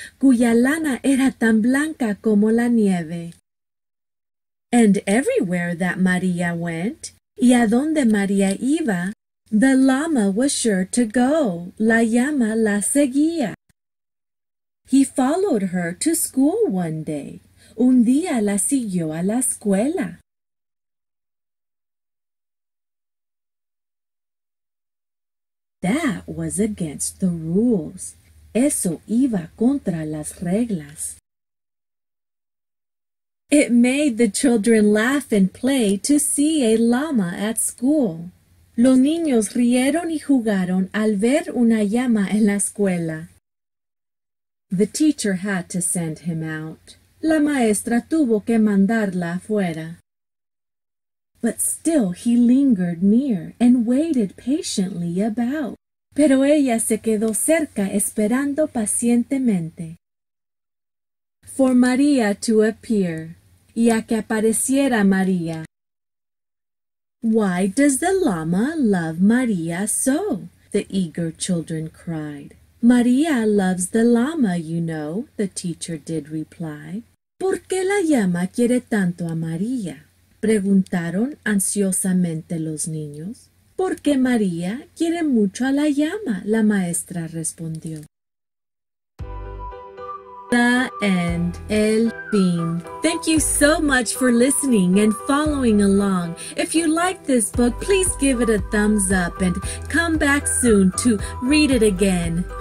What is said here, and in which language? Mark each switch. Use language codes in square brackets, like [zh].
[es] Cuya lana era tan blanca como la nieve. [en] And everywhere that María went, [es] y a donde María iba, [en] the llama was sure to go. [es] La llama la seguía. [en] He followed her to school one day. [es] Un día la siguió a la escuela. [en] That was against the rules. [es] Eso iba contra las reglas. [en] It made the children laugh and play to see a llama at school. [es] Los niños rieron y jugaron al ver una llama en la escuela. [en] The teacher had to send him out. [es] La maestra tuvo que mandarla afuera. [en] But still he lingered near and waited patiently about. [es] Pero ella se quedó cerca esperando pacientemente. [en] For María to appear. [es] Y a que apareciera María. [en] Why does the llama love María so? The eager children cried. María loves the llama, you know, the teacher did reply. [es] ¿Por qué la llama quiere tanto a María? Preguntaron ansiosamente los niños. Porque María quiere mucho a la llama, la maestra respondió. [en] The end. [es] El fin. [en] Thank you so much for listening and following along. If you like this book, please give it a thumbs up and come back soon to read it again.